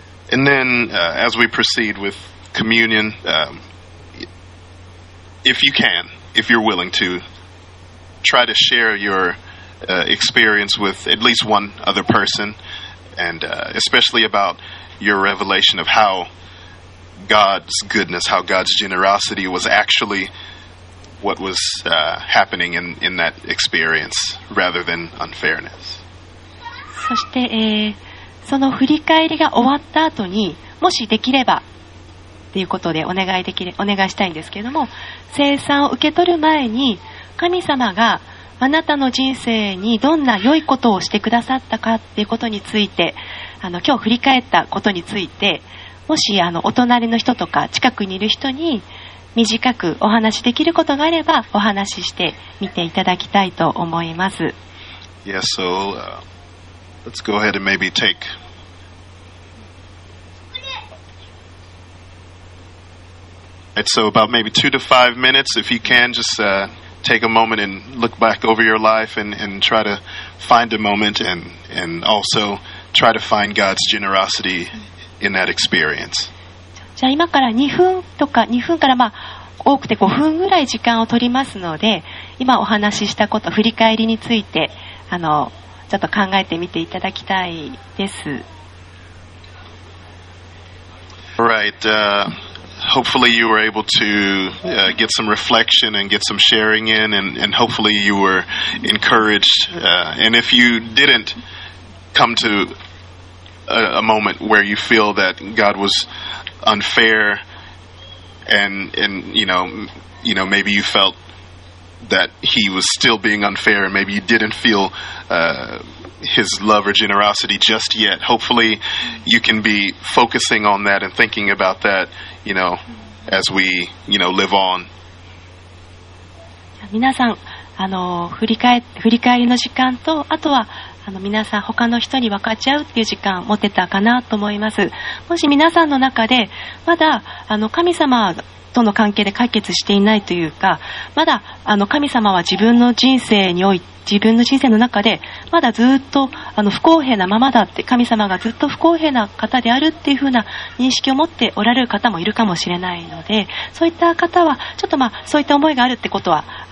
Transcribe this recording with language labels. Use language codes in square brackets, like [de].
[en] And then, as we proceed with communion, if you can, if you're willing to, try to share your, experience with at least one other person, and, especially about your revelation of howGod's goodness, how God's generosity was actually what was, happening in that experience rather than unfairness. [ja] そして、その振り返りが終わった後に、もしできればということでお願いしたいんですけれども、聖餐を受け取る前に神様があなたの人生にどんな良いことをしてくださったかということについて、今日振り返ったことについて、もしお隣の人とか近くにいる人に短くお話しできることがあればお話ししてみていただきたいと思います。 [en] Yes, so, let's go ahead and maybe take it's so about maybe 2 to 5 minutes if you can just, take a moment and look back over your life and try to find a moment and also try to find God's generosity in that experience. [ja] じゃあ今から2分とか2分からまあ多くて5分ぐらい時間を取りますので、今お話ししたこと振り返りについてちょっと考えてみていただきたいです。 [en] Alright, hopefully you were able to, get some reflection and get some sharing in and hopefully you were encouraged, and if you didn't come toa moment where you feel that God was unfair and you know maybe you felt that he was still being unfair and maybe you didn't feel, his love or generosity just yet, hopefully you can be focusing on that and thinking about that, you know, as we, you know, live on. [ja] 皆さん振り返りの時間とあとは皆さん他の人に分かち合うっていう時間持てたかなと思います。もし皆さんの中でまだ神様との関係で解決していないというか、まだ神様は自分の人生の中でまだずっと不公平なままだって、神様がずっと不公平な方であるっていうふうな認識を持っておられる方もいるかもしれないので、そういった方はちょっとまあそういった思いがあるってことは